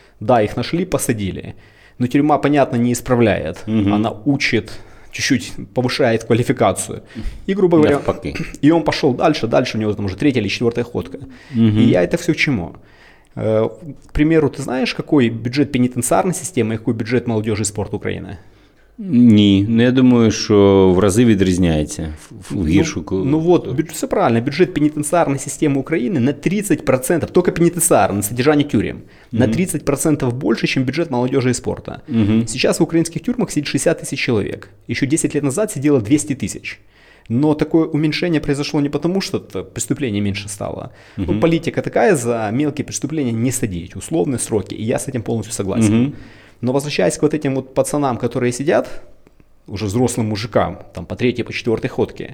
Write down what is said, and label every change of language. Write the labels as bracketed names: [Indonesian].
[Russian] Да, их нашли, посадили. Но тюрьма, понятно, не исправляет. Угу. Она учит... чуть-чуть повышает квалификацию. И, грубо говоря, и он пошел дальше, у него там уже третья или четвертая ходка. Угу. И я это все к чему? К примеру, ты знаешь, какой бюджет пенитенциарной системы и какой бюджет молодежи и спорта Украины? [Ukrainian] Ні, ну я думаю, що в рази відрізняється в гіршу. Ну от, все правильно, бюджет пенітенціарної системи України на 30%, тільки пенітенціарне, содержання тюрем, на 30% більше, ніж бюджет молодіжі і спорту. Зараз в українських тюрмах сидить 60 тисяч чоловік, ще 10 років назад сиділо 200 тисяч. [Russian] Но такое уменьшение произошло не потому, что преступлений меньше стало. Угу. Ну, политика такая, за мелкие преступления не садить, условные сроки, и я с этим полностью согласен. Угу. Но возвращаясь к вот этим вот пацанам, которые сидят, уже взрослым мужикам, там по третьей, по четвертой ходке,